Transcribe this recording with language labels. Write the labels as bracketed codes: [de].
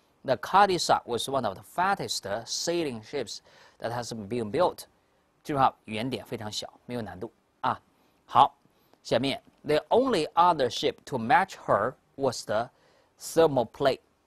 [en] The Cadiz was one of the fastest sailing ships that has been built。 [zh] 基本上原点非常小，没有难度啊。好，下面 [en] the only other ship to match her was the Thermopylae。